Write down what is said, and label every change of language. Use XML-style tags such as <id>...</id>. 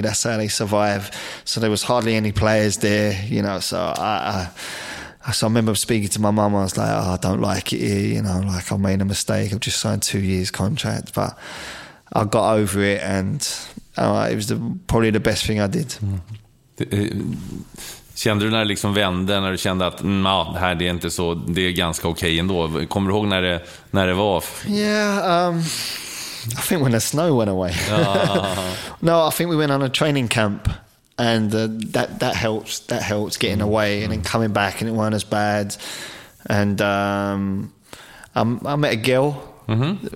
<en>That's how they survive. So there was hardly any players there, you know. So I remember speaking to my mum. I was like, oh, I don't like it here, you know. Like, I made a mistake. I've just signed 2 years contract, but I got over it, and it was probably the best thing I did.</en> <sv>Kände du när det liksom vände, när du kände att det här är inte så, det är ganska okej ändå? Kommer du ihåg när det var?</sv> <en>I think when the snow went away. No, I think we went on a training camp, and that helps getting away, and then coming back and it weren't as bad. And I met a girl. Mm-hmm.</en>